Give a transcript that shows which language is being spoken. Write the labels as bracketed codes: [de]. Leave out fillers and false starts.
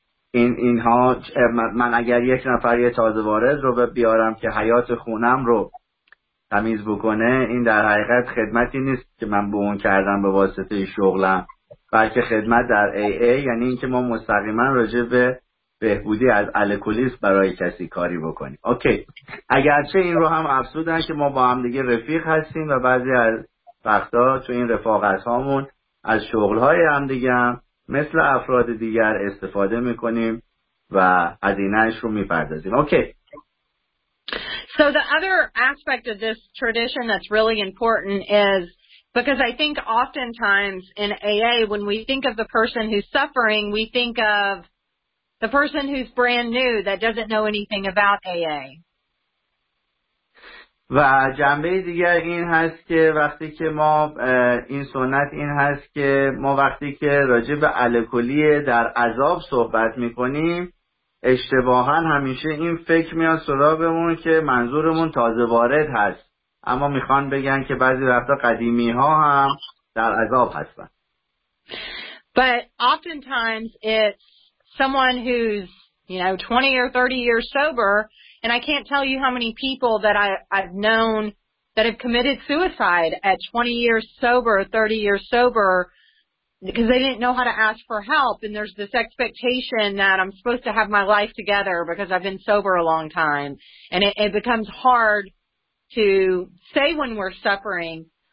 [fa] اینها من اگر یک نفر یه تازه وارد رو بیارم که حیات خونم رو تمیز بکنه، این در حقیقت خدمتی نیست که من به اون کردم به واسطه شغلم، بلکه خدمت در AA یعنی اینکه ما مستقیما راجع به بهبودی از الکلیسم برای کسی کاری بکنیم. اوکی. اگرچه این رو هم افسودن که ما با هم دیگه رفیق هستیم و بعضی از وقتا تو این رفاقت هامون از شغل های هم دیگه هم مثل افراد دیگر استفاده میکنیم و هزینه‌اش رو میپردازیم. اوکی. [en] So the other aspect of this tradition that's really important is because I think oftentimes in AA when we think of the person who's suffering, we think of the person who's brand new that doesn't know anything about AA. [fa] و جنبه دیگر این هست که وقتی که ما این سنت این هست که ما وقتی که راجع به الکلی در عذاب صحبت میکنیم اشتباها همیشه این فکر میاد سراغمون که منظورمون تازه وارد هست، اما میخوان بگن که بعضی وقتا قدیمی ها هم در عذاب هستن. [en] But oftentimes it's someone who's, you know, 20 or 30 years sober, and I can't tell you how many people that I've known that have committed suicide at 20 years sober, 30 years sober, because they didn't know how to ask for help, and there's this expectation that I'm supposed to have my life together because I've been sober a long time, and it becomes hard to say when we're suffering.